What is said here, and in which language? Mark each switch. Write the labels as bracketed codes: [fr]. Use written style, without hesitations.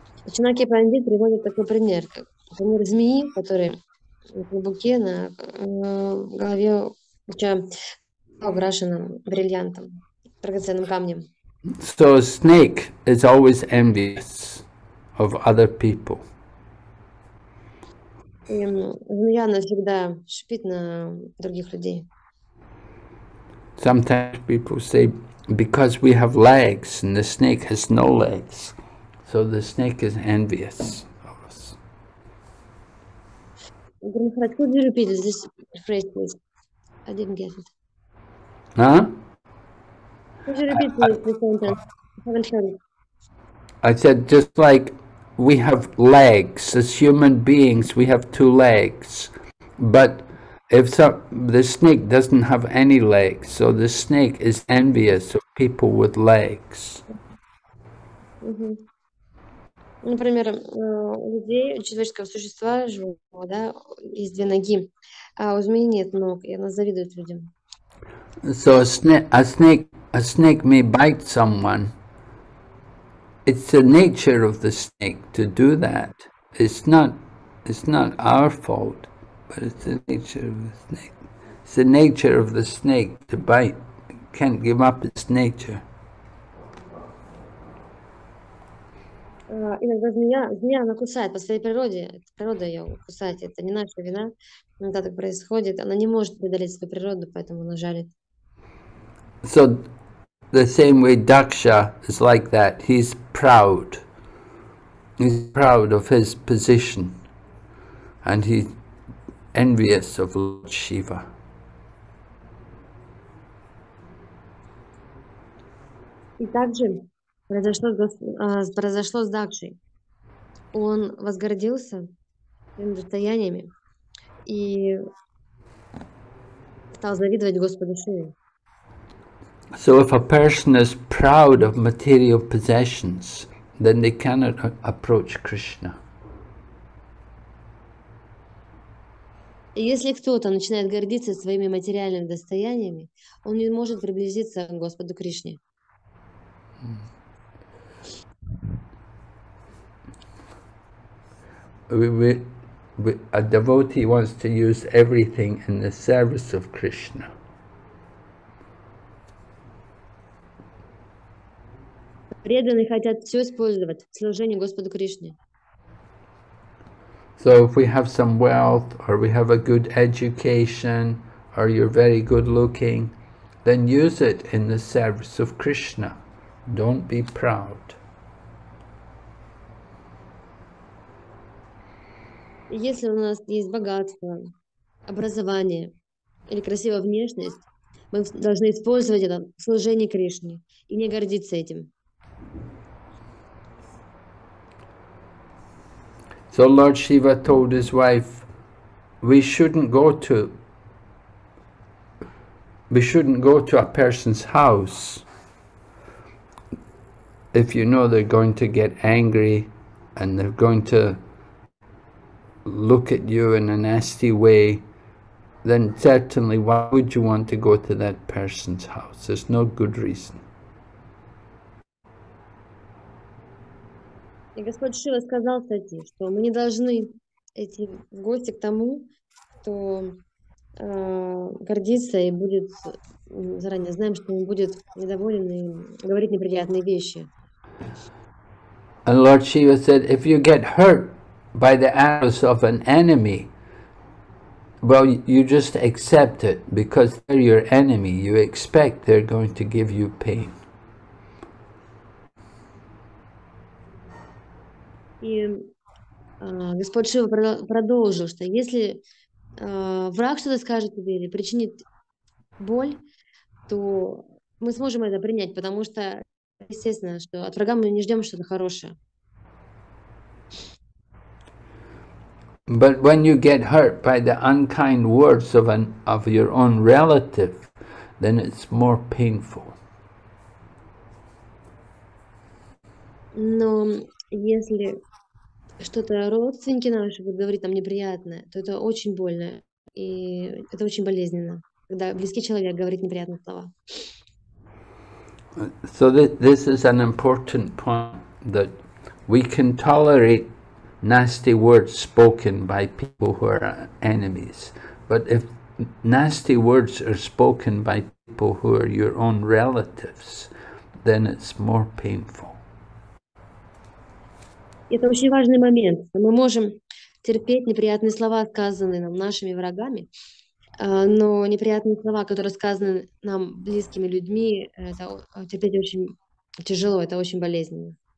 [ru] Чинаки Пандит приводит такой пример, как пример змеи, который на клубке на голове у тебя украшенным бриллиантом, драгоценным камнем. [en] So a snake is always envious of other people. [ru] И змея навсегда шипит на других людей. [en] Sometimes people say, because we have legs and the snake has no legs, so the snake is envious of us. Could you repeat this phrase, please? I didn't get it. Huh? Could you repeat this sentence? I haven't heard it. I said, just like we have legs, as human beings, we have two legs, but if the snake doesn't have any legs, so the snake is envious of people with legs. Mm-hmm. [ru] Например, у людей, у человеческого существа, живого, да, есть две ноги, а у змеи нет ног, и она завидует людям. [en] So a snake may bite someone. It's the nature of the snake to do that. It's not our fault. But it's the nature of the snake. It's the nature of the snake to bite. It can't give up its nature. [ru] Иногда змея она кусает по своей природе. Природа ее кусает. Это не наша вина. Когда так происходит, она не может преодолеть свою природу, поэтому она жалит. [en] So the same way Daksha is like that. He's proud. He's proud of his position. And he's envious of Lord Shiva. [ru] И также произошло с Дакшей. Он возгордился своими достояниями и стал завидовать Господу Шиве. [en] So if a person is proud of material possessions, then they cannot approach Krishna. [ru] Если кто-то начинает гордиться своими материальными достояниями, он не может приблизиться к Господу Кришне. [en] A devotee wants to use everything in the service of Krishna. [ru] Преданные хотят все использовать в служении Господу Кришне. [en] So if we have some wealth, or we have a good education, or you're very good looking, then use it in the service of Krishna. Don't be proud. [ru] Если у нас есть богатство, образование или красивая внешность, мы должны использовать это в служении Кришне и не гордиться этим. [en] So Lord Shiva told his wife, we shouldn't go to a person's house if you know they're going to get angry and they're going to look at you in a nasty way, then certainly why would you want to go to that person's house? There's no good reason. [ru] И Господь Шива сказал, кстати, что мы не должны идти в гости к тому, кто гордится и будет, заранее знаем, что он будет недоволен и говорить неприятные вещи. [en] And Lord Shiva said, if you get hurt by the arrows of an enemy, well, you just accept it, because they're your enemy, you expect they're going to give you pain. [ru] И Господь Шива продолжил, что если враг что-то скажет тебе или причинит боль, то мы сможем это принять, потому что, естественно, что от врага мы не ждем что-то хорошее. [en] But when you get hurt by the unkind words of your own relative, then it's more painful. [ru] Но если что-то родственники наши говорят нам неприятное, то это очень больно, и это очень болезненно, когда близкий человек говорит неприятные слова. [en] So this is an important point, that we can tolerate nasty words spoken by people who are enemies. But if nasty words are spoken by people who are your own relatives, then it's more painful. [ru] Это очень важный момент. Мы можем терпеть неприятные слова, сказанные нам нашими врагами, но неприятные слова, которые сказаны нам близкими людьми, это терпеть очень тяжело, это очень болезненно.